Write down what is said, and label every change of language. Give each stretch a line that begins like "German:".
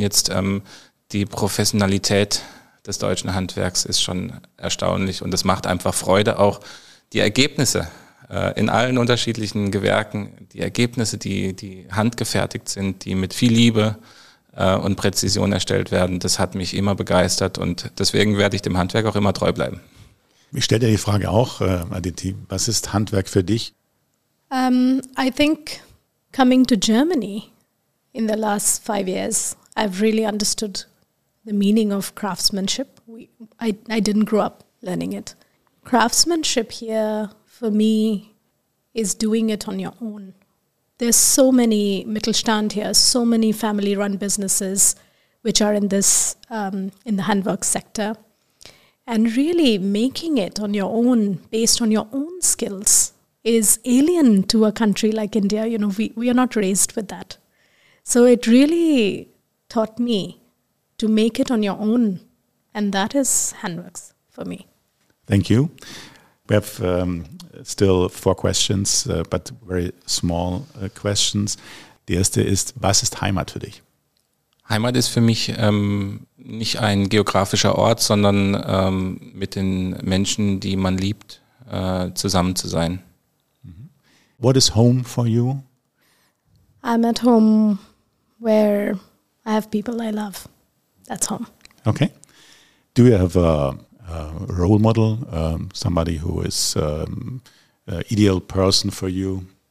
German: Jetzt die Professionalität des deutschen Handwerks ist schon erstaunlich und es macht einfach Freude, auch die Ergebnisse in allen unterschiedlichen Gewerken, die Ergebnisse, die handgefertigt sind, die mit viel Liebe und Präzision erstellt werden, das hat mich immer begeistert und deswegen werde ich dem Handwerk auch immer treu bleiben. Ich stelle dir die Frage auch, Aditi, was ist Handwerk für dich?
English: I think coming to Germany in the last 5 years, I've really understood the meaning of craftsmanship. I didn't grow up learning it. Craftsmanship here for me is doing it on your own. There's so many Mittelstand here, so many family-run businesses which are in this, in the handwork sector. And really making it on your own, based on your own skills, is alien to a country like India. You know, we are not raised with that. So it really taught me to make it on your own. And that is handworks for me. Thank you. We have still 4 questions, but very small questions.
German: Die erste ist, was ist Heimat für dich? Heimat ist für mich nicht ein geografischer Ort, sondern mit den Menschen, die man liebt, zusammen zu sein.
English: What is home for you? I'm at home where I have people I love. That's home. Okay. Do you have a role model, somebody who is an ideal person for you?